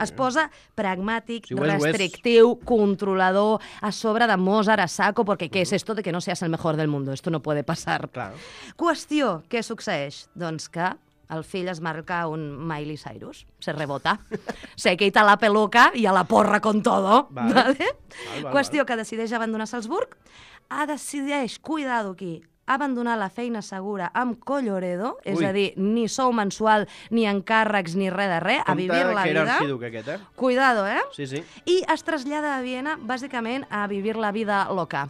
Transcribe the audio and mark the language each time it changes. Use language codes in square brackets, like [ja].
[ca] Es posa pragmàtic, sí, restrictiu, controlador, a sobre de Mozart a saco, perquè què és [es] esto de que no seas el mejor del mundo? Esto no puede pasar. Claro. [ca] Qüestió, què succeeix? Doncs que... El fill es marca un [es] Miley Cyrus, se rebota, se quita la peluca i a la porra con todo. [ca] Vale. Vale? Vale, qüestió, que decideix abandonar Salzburg, decideix, cuidado aquí, abandonar la feina segura amb Colloredo, és a dir, ni sou mensual, ni encàrrecs, ni res de res, a vivir la vida. Compte que era arxiduc aquest, eh? [es] Cuidado, eh? [ca] Sí, sí. I es trasllada a Viena, bàsicament, a vivir [es] la vida loca.